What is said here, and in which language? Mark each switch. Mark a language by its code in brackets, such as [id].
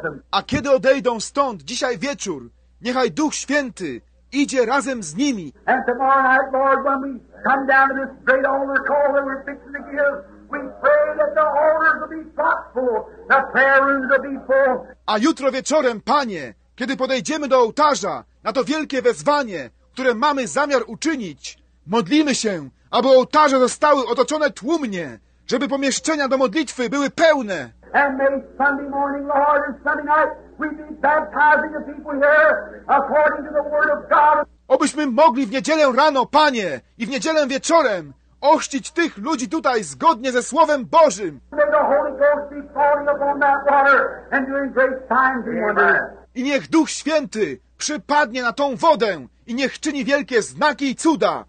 [pl] A kiedy odejdą stąd dzisiaj wieczór, niechaj Duch Święty idzie razem z nimi. [en] And tomorrow night, Lord, when we come down to this great altar call that we're fixing to give, we pray that the altars will be thoughtful, the prayer rooms will be full. [pl] A jutro wieczorem, Panie, kiedy podejdziemy do ołtarza na to wielkie wezwanie, które mamy zamiar uczynić, modlimy się, aby ołtarze zostały otoczone tłumnie, żeby pomieszczenia do modlitwy były pełne. [en] And may Sunday morning, Lord, and Sunday night, we be baptizing the people here according to the word of God. [pl] Obyśmy mogli w niedzielę rano, Panie, i w niedzielę wieczorem ochrzcić tych ludzi tutaj zgodnie ze Słowem Bożym. [en] May the Holy Ghost be falling upon that water and doing great signs and wonders. [pl] I niech Duch Święty przypadnie na tą wodę i niech czyni wielkie znaki i cuda.